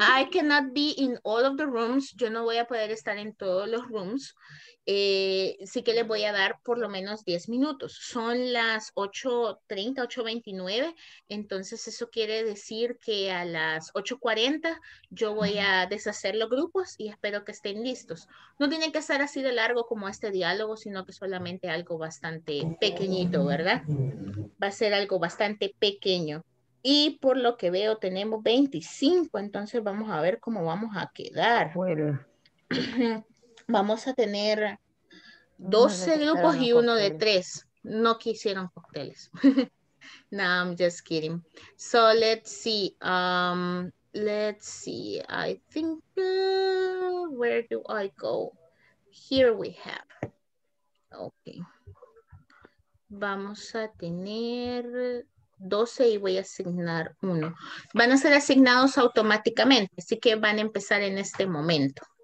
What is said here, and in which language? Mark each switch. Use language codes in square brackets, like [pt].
[en] I cannot be in all of the rooms. [es] Yo no voy a poder estar en todos los rooms. Sí que les voy a dar por lo menos 10 minutos. Son las 8:30, 8:29. Entonces eso quiere decir que a las 8:40 yo voy a deshacer los grupos y espero que estén listos. No tiene que ser así de largo como este diálogo, sino que solamente algo bastante pequeñito, ¿verdad? Va a ser algo bastante pequeño. Y por lo que veo, tenemos 25, entonces vamos a ver cómo vamos a quedar. Bueno. Vamos a tener 12 grupos y uno de tres. No quisieron cócteles. [en] No, I'm just kidding. So, let's see. I think, where do I go? here we have. Okay. [es] Vamos a tener 12 y voy a asignar uno. Van a ser asignados automáticamente, así que van a empezar en este momento.